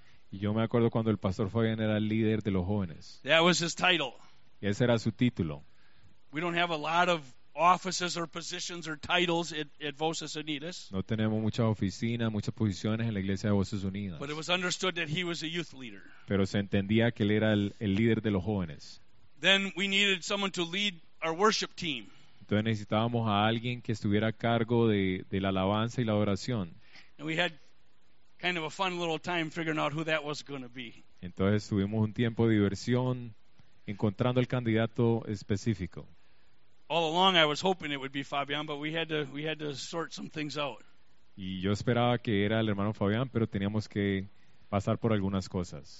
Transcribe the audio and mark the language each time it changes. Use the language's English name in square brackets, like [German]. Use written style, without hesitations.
[Spanish] Y yo me acuerdo cuando el Pastor Fabian era el líder de los jóvenes. [English] That was his title. [Spanish] Y ese era su título. [English] We don't have a lot of offices or positions or titles at Voces Unidas. [Spanish] No tenemos muchas oficinas, muchas posiciones en la iglesia de Voces Unidas. [English] But it was understood that he was a youth leader. [Spanish] Pero se entendía que él era el líder de los jóvenes. [English] Then we needed someone to lead our worship team. [Spanish] Entonces necesitábamos a alguien que estuviera a cargo de la alabanza y la oración. [English] And we had kind of a fun little time figuring out who that was going to be. [Spanish] Entonces tuvimos un tiempo de diversión encontrando el candidato específico. [English] All along I was hoping it would be Fabian, but we had to sort some things out. [Spanish] Y yo esperaba que era el hermano Fabián, pero teníamos que pasar por algunas cosas.